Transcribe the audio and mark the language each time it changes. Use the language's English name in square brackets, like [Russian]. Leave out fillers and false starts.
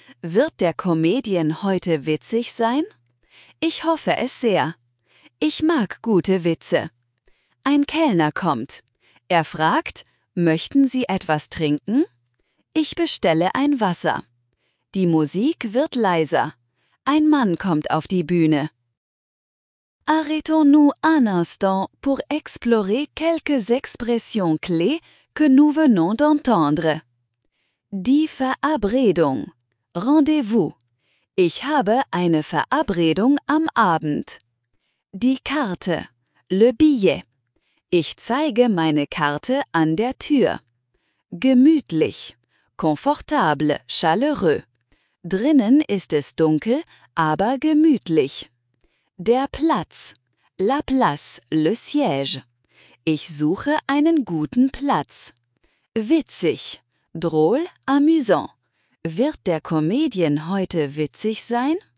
[German] Wird der Comedian heute witzig sein? Ich hoffe es sehr. Ich mag gute Witze. Ein Kellner kommt. Er fragt, möchten Sie etwas trinken? Ich bestelle ein Wasser. Die Musik wird leiser. Ein Mann kommt auf die Bühne. [French] Arrêtons-nous un instant pour explorer quelques expressions clés que nous venons d'entendre. [German] Die Verabredung. Rendez-vous. Ich habe eine Verabredung am Abend. Die Karte. [French] Le billet. [German] Ich zeige meine Karte an der Tür. Gemütlich. [French] Confortable, chaleureux. [German] Drinnen ist es dunkel, aber gemütlich. Der Platz. [French] La place, le siège. [German] Ich suche einen guten Platz. Witzig. [French] Drôle, amusant. [German] Wird der Comedian heute witzig sein?